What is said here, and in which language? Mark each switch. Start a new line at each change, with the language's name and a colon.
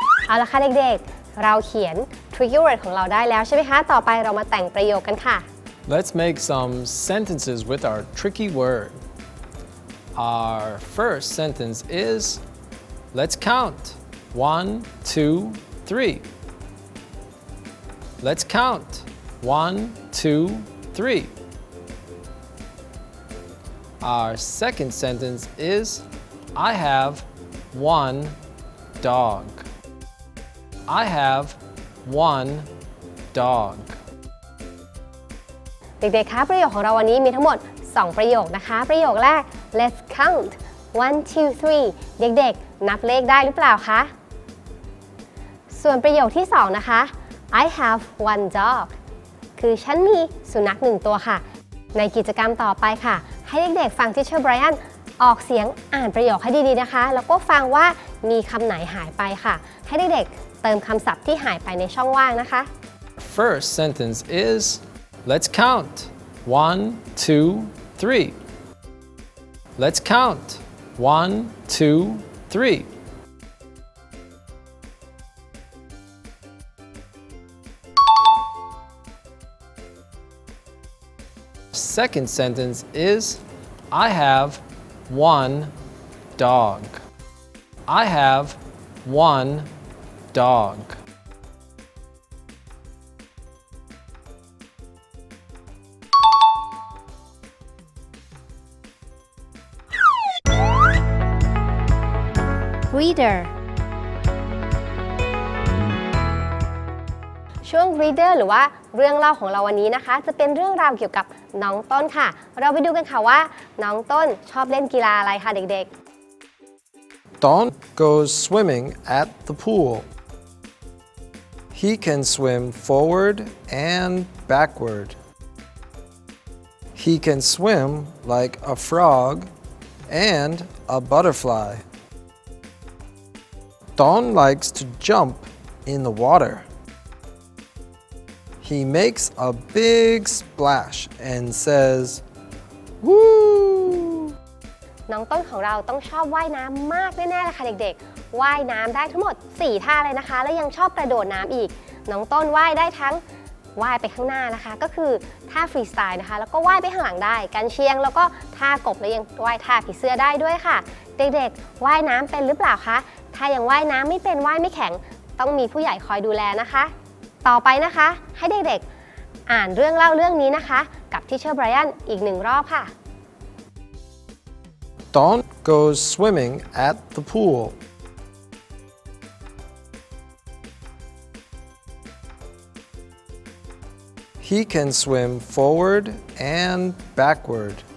Thai: เอาละค่ะเด็กๆเราเขียน tricky word ของเราได้แล้วใช่ไหมคะต่อไปเรามาแต่งประโยคกันค่ะ
English: Let's make some sentences with our tricky word. Our first sentence is Let's count 1, 2, 3. Let's count 1, 2, 3. Our second sentence is I have one dog. I have one dog.
Thai: เด็กๆคะประโยคของเราวันนี้มีทั้งหมด2ประโยคนะคะประโยคแรก
English: Let's count 1, 2, 3.
Thai: เด็กๆนับเลขได้หรือเปล่าคะส่วนประโยคที่2นะคะ
English: I have one dog.
Thai: คือฉันมีสุนัข1ตัวค่ะในกิจกรรมต่อไปค่ะให้เด็กๆฟังที่เชอร์ไบรอันออกเสียงอ่านประโยคให้ดีๆนะคะแล้วก็ฟังว่ามีคำไหนหายไปค่ะให้เด็กๆเติมคำศัพท์ที่หายไปในช่องว่างนะคะ
English: First sentence is Let's count 1, 2, 3 Let's count 1, 2, 3 Second sentence is I have one dog I have one dogDog. Reader.
Thai: ช่วง Reader หรือว่าเรื่องเล่าของเราวันนี้นะคะจะเป็นเรื่องราวเกี่ยวกับน้องต้นค่ะเราไปดูกันค่ะว่าน้องต้นชอบเล่นกีฬาอะไรคะเด็ก
English: ๆ Don goes swimming at the pool. He can swim forward and backward. He can swim like a frog and a butterfly. Don likes to jump in the water. He makes a big splash and says, "Woo!"
Thai: น้องต้นของเราต้องชอบว่ายน้ำมากแน่ๆเลยค่ะเด็กๆว่ายน้ำได้ทั้งหมด4ท่าเลยนะคะและยังชอบกระโดดน้ำอีกน้องต้นว่ายได้ทั้งว่ายไปข้างหน้านะคะก็คือท่าฟรีสไตล์นะคะแล้วก็ว่ายไปข้างหลังได้การเชียงแล้วก็ท่ากบและยังว่ายท่าผีเสื้อได้ด้วยค่ะเด็กๆว่ายน้ำเป็นหรือเปล่าคะถ้ายังว่ายน้ำไม่เป็นว่ายไม่แข็งต้องมีผู้ใหญ่คอยดูแลนะคะต่อไปนะคะให้เด็กๆอ่านเรื่องเล่าเรื่องนี้นะคะกับทีเชอร์ไบรอันอีกหนึ่งรอบค่ะ
English: Don goes swimming at the pool. He can swim forward and backward.